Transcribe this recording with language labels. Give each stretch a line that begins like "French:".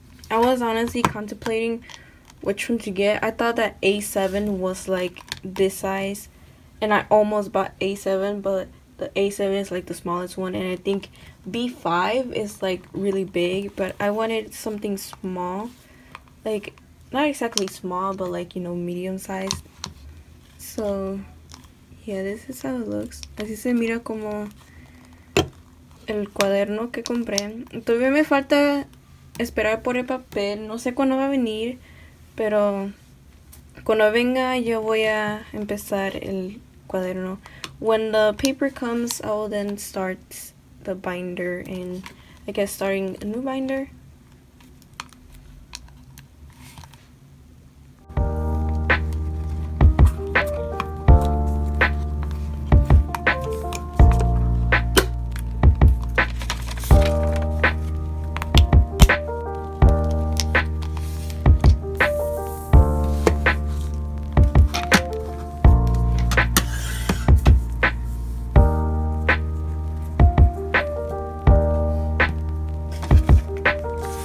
English: I was honestly contemplating which one to get. I thought that A7 was like this size, and I almost bought A7, but the A7 is like the smallest one, and I think B5 is like really big, but I wanted something small, like not exactly small, but like, you know, medium size. So yeah, this is how it looks.
Spanish: Así se mira como el cuaderno que compré. Todavía me falta esperar por el papel. No sé cuándo va a venir, pero cuando venga yo voy a empezar el cuaderno.
English: When the paper comes, I will then start the binder and I guess starting a new binder. Thank you.